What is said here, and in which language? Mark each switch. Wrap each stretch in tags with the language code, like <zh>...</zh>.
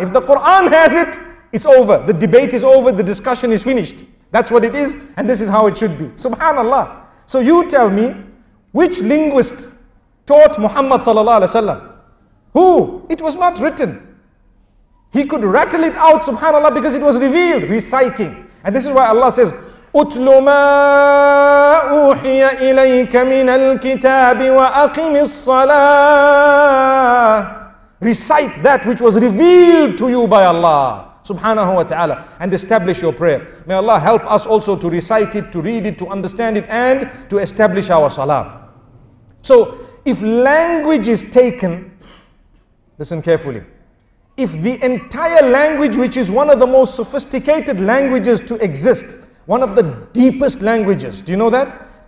<en>If the Quran has it, it's over. The debate is over. The discussion is finished. That's what it is, and this is how it should be. Subhanallah. So you tell me, which linguist taught Muhammad sallallahu alaihi wasallam? Who? It was not written. He could rattle it out, subhanallah, because it was revealed, reciting. And this is why Allah says,</en> <ar>أُتْلُ مَا أُوحِيَ إِلَيْكَ مِنَ الْكِتَابِ وَأَقِمِ الصَّلَاةِ.</ar> <en>Recite that which was revealed to you by Allah subhanahu wa ta'ala, and establish your prayer. May Allah help us also to recite it, to read it, to understand it, and to establish our salah. So if language is taken, listen carefully, if the entire language, which is one of the most sophisticated languages to exist, one of the deepest languages, do you know that?</en>